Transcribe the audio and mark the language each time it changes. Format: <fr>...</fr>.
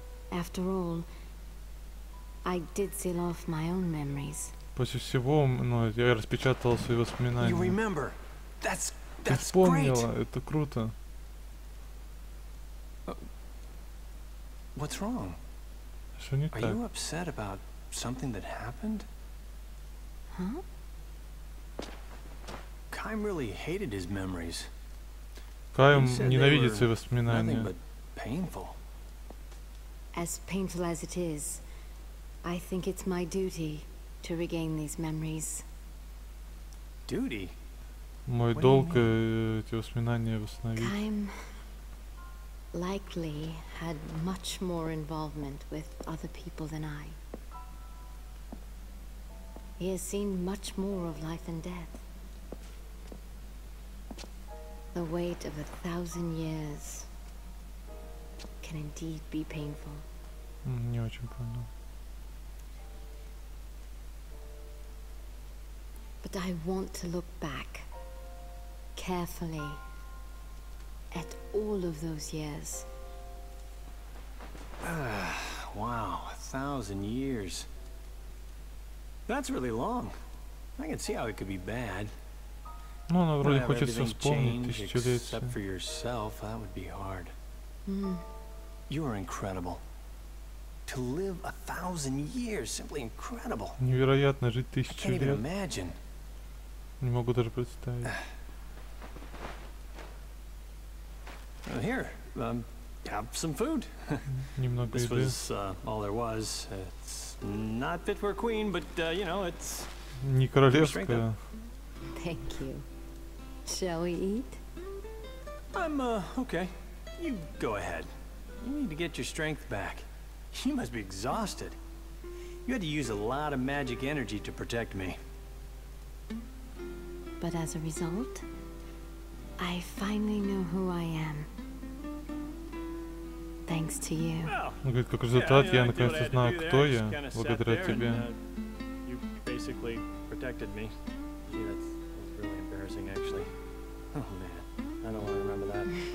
<en>After all, I did seal off my own memories.</en> <ru>После всего, ну, я распечатал свои воспоминания.</ru> <en>You remember? That's great.</en> <ru>Ты вспомнила?</ru> <en>Great.</en> <ru>Это круто.</ru> <en>What's wrong?</en> <ru>Что не так?</ru> <en>Are you upset about something that happened? Huh? Каим really hated his memories.</en> <ru>Каим ненавидит свои воспоминания.</ru> <en>Nothing but painful. As painful as it is, I think it's my duty to regain these memories. Duty?</en> <ru>Мой долг эти воспоминания восстановить.</ru> <en>Каим, likely had much more involvement with other people than I. He has seen much more of life and death. The weight of 1,000 years can indeed be painful.</en> <ru>Не очень понял.</ru> <en>But I want to look back carefully at all of those years. Wow, 1,000 years. That's really long. I can see how it could be bad.</en> <ru>Ну, она вроде хочет все вспомнить, тысячелетия.</ru> <en>Except for yourself, that would be hard. You are incredible. To live 1,000 years, simply incredible.</en> <ru>Невероятно жить тысячу лет.</ru> <en>I can't even imagine.</en> <ru>Не могу даже представить.</ru> <en>Here, have some food.</en> <ru>Немного еды.</ru> <en>This was all there was. It's not fit for a queen, but you know, it's.</en> <ru>Не королевская.</ru> <en>Thank you. Shall we eat? I'm okay. You go ahead. You need to get your strength back. You must be exhausted. You had to use a lot of magic energy to protect me. But as a result, I finally know who I am. Thanks to you.</en> <ru>Он говорит, как результат, я наконец-то знаю, кто я, благодаря тебе.</ru> <en>You basically protected me. Gee, that's really embarrassing, actually. Oh man, I don't want to remember that.</en>